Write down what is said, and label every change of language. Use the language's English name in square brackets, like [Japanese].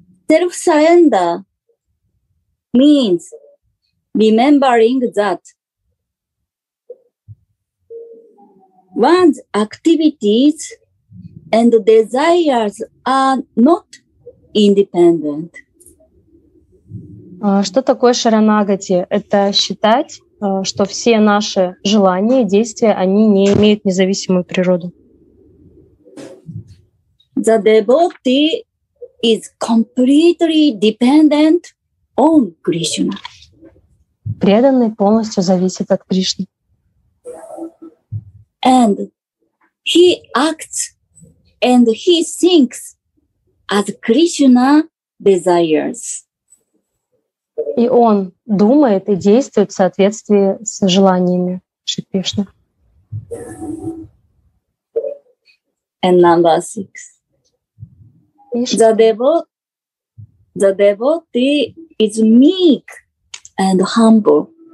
[English] Self-surrender means remembering that one's activities and desires are not independent. [Russian] Что такое шаранагати? Это считать, что все наши желания, действия, они не имеют независимую природу. [English] The devotee is completely dependent on Krishna. [Russian] Преданный полностью зависит от Кришны. [English] And he acts and he thinks as Krishna desires. [Russian] И он думает и действует в соответствии с желаниями Шри Кришны. [English] And number six. The devotee is meek and humble.